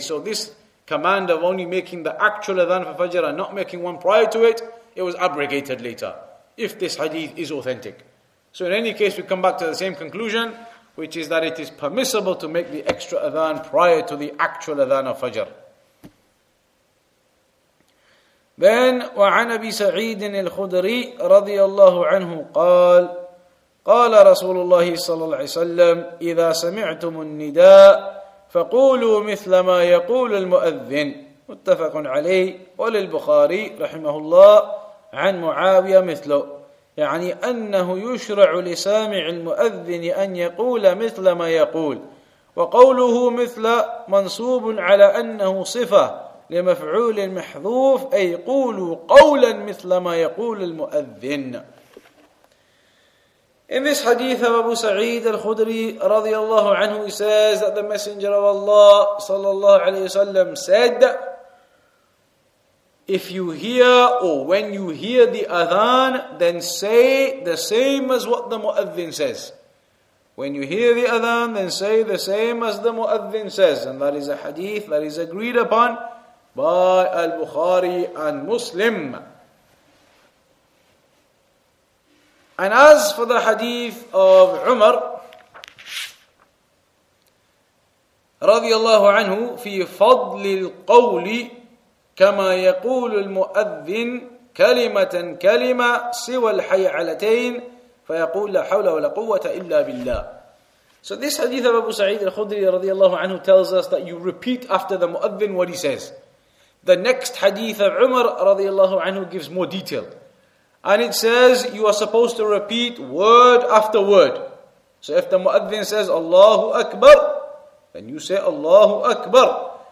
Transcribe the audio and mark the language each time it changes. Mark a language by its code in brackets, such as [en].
[en] So this command of only making the actual adhan for Fajr and not making one prior to it, it was abrogated later, if this hadith is authentic. So in any case, we come back to the same conclusion, which is that it is permissible to make the extra adhan prior to the actual adhan of Fajr. Then, [ar] وَعَنْ أَبِي سَعِيدٍ الْخُدْرِي رَضِيَ اللَّهُ عَنْهُ قَالَ قال رسول الله صلى الله عليه وسلم إذا سمعتم النداء فقولوا مثل ما يقول المؤذن. متفق عليه. وللبخاري رحمه الله عن معاوية مثله. يعني أنه يشرع لسامع المؤذن أن يقول مثل ما يقول. وقوله مثل منصوب على أنه صفة لمفعول محذوف أي قولوا قولا مثل ما يقول المؤذن. [en] In this hadith of Abu Sa'id al-Khudri radiallahu anhu, he says that the Messenger of Allah sallallahu alayhi wa sallam said, if you hear or when you hear the adhan, then say the same as what the muadhin says. When you hear the adhan, then say the same as the muadhin says. And that is a hadith that is agreed upon by al-Bukhari and Muslim. And as for the hadith of Umar radiallahu anhu, [ar] في فضل القول كما يقول المؤذن كلمة كلمة سوى الحيعلتين فيقول لا حول ولا قوة إلا بالله. [en] So this hadith of Abu Sa'id al-Khudri radiallahu anhu tells us that you repeat after the muadhin what he says. The next hadith of Umar radiallahu anhu gives more detail. And it says you are supposed to repeat word after word. So if the muadhin says Allahu Akbar, then you say Allahu Akbar.